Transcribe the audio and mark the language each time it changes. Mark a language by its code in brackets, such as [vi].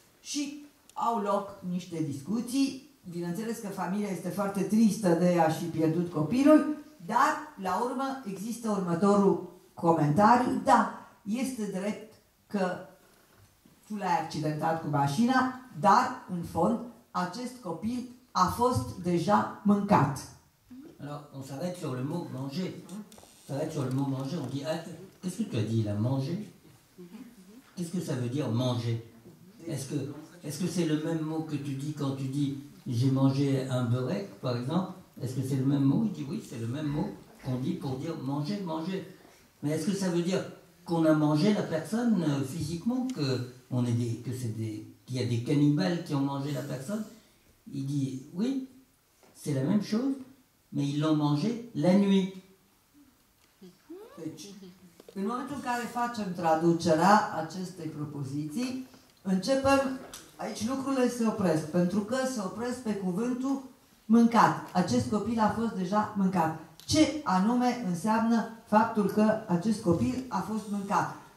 [ro] Și au loc niște discuții, bineînțeles că familia este foarte tristă de a-și fi pierdut copilul, dar, la urmă, există următorul comentariu. Da, este drept că tu l-ai accidentat cu mașina, dar, în fond, acest copil a fost deja mâncat. [fr] Alors, on s'arrête sur le mot manger. On s'arrête sur le mot manger. On dit, ah, qu'est-ce que tu as dit, la manger? Qu'est-ce que ça veut dire, manger? Est-ce que c'est le même mot que tu dis quand tu dis, j'ai mangé un burek, par exemple? Est-ce que c'est le même mot? Il dit oui, c'est le même mot qu'on dit pour dire manger, manger. Mais est-ce que ça veut dire qu'on a mangé la personne physiquement, qu'il y a des cannibales qui ont mangé la personne? Il dit oui, c'est la même chose, mais ils l'ont mangé la nuit. [ro] În momentul în care facem traducerea acestei propoziții, începem, aici lucrurile se opresc, pentru că se opresc pe cuvântul mâncat. Acest copil a fost deja mâncat. Ce anume înseamnă faptul că acest copil a fost mâncat?